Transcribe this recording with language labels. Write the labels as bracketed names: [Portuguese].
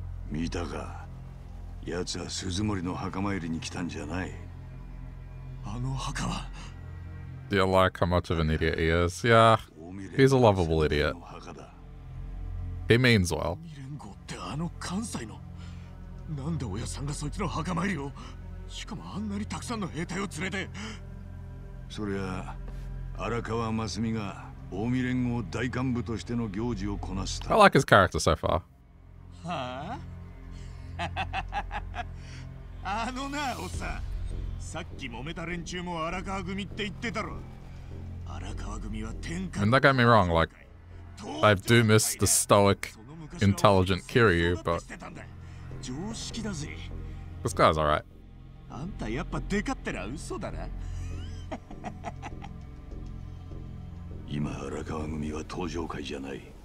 [Japanese] 見たか、やつは鈴森の墓参りに来たんじゃない。あの墓は。 [English] Do you like how much of an idiot he is? Yeah, he's a lovable idiot. He means well. [Japanese] 未練号ってあの関西の。なんで親さんがそいつの墓参りを。しかもあんなにたくさんの兵隊を連れて。そりゃ、荒川真澄が。大見連合大幹部としての行事をこなした。 [English] I like his character so far. [Japanese] はあ？あのな、おっさん。さっき揉めた連中も荒川組って言ってたろ。荒川組は天下。 [English] And don't get me wrong, like, I do miss the stoic, intelligent Kiryu, but... This guy's alright. [Japanese] あんたやっぱデカってら嘘だな。今荒川組は登場会じゃない。